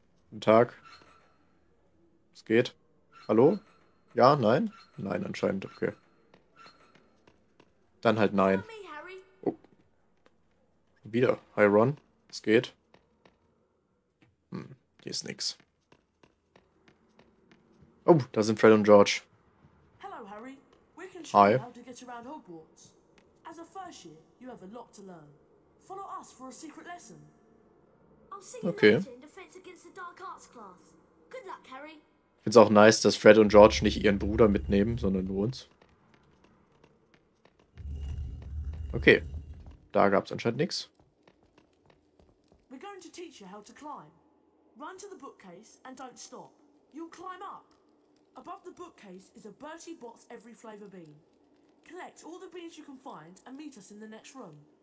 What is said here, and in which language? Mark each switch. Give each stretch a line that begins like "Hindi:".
German: Guten Tag. Es geht. Hallo? Ja, nein? Nein, anscheinend. Okay. Dann halt nein. Oh. Wieder. Hi, Ron. Es geht. Hier ist nichts. Oh, da sind Fred und George.
English: Hello, Harry. We can show you how to get around Hogwarts. As a first year, you have a lot to learn. Follow us for a secret lesson. I'll see you later in Defense Against the Dark Arts class. Good luck, Harry.
German: Ich finde es auch nice, dass Fred und George nicht ihren Bruder mitnehmen, sondern nur uns. Okay. Da gab es anscheinend nichts.
English: We're going to teach you how to climb. Run to the bookcase and don't stop. You'll climb up. Above the bookcase is a Bertie Bott's Every Flavor Bean. Collect all the beans you can find and meet us in the next room.